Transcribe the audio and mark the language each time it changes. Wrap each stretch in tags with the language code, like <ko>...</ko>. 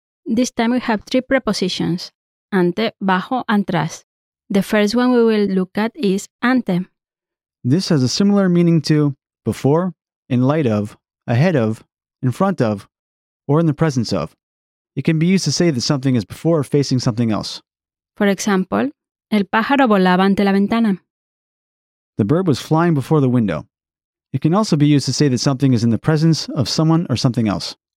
<en>This time we have three prepositions, ante, bajo, and tras. The first one we will look at is ante. This has a similar meaning to before, in light of, ahead of, in front of, or in the presence of. It can be used to say that something is before or facing something else. For example,</en> <es>el pájaro volaba ante la ventana.</es> <en>The bird was flying before the window. It can also be used to say that something is in the presence of someone or something else.</en>